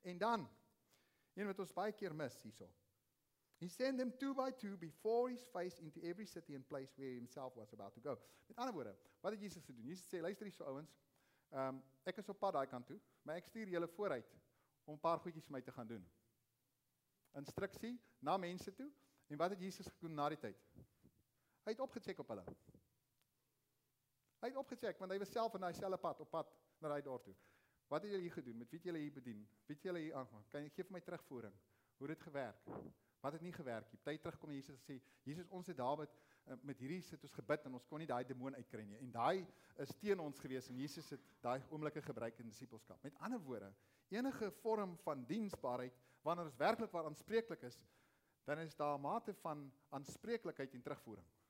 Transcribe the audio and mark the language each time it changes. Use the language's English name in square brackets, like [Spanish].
[Afrikaans] En dan, een wat ons baie keer mis, hierso. [English] He sent them two by two before his face into every city and place where himself was about to go. [Afrikaans] Met ander woorde, wat het Jesus gedoen? Jesus sê, luister hierso ouwens, ek is op pad daai kant toe, maar ek stuur julle vooruit om 'n paar goedjies vir my te gaan doen. Instruksie na mense toe. En wat het Jesus gedoen na die tyd? Hy het opgecheck op hulle. Hy het opgecheck, want hy was self in daai selfde pad, op pad na daai dorp toe. Wat het julle hier gedoen? Met wie het julle hier bedien? Wie het julle hier aangemaak? Kan jy gee vir my terugvoering? Hoe het dit gewerk? Wat het nie gewerk nie? Tyd terugkom en Jesus sê, Jesus, ons het Dawid met hierdie sit ons gebid en ons kon nie daai demoon uitkry nie. En daai is teen ons gewees en Jesus het daai oomblikke gebruik in disipelskap. Met ander woorde, enige vorm van diensbaarheid, wanneer ons werklik waar aanspreeklik is, dan is daar 'n mate van aanspreeklikheid en terugvoering.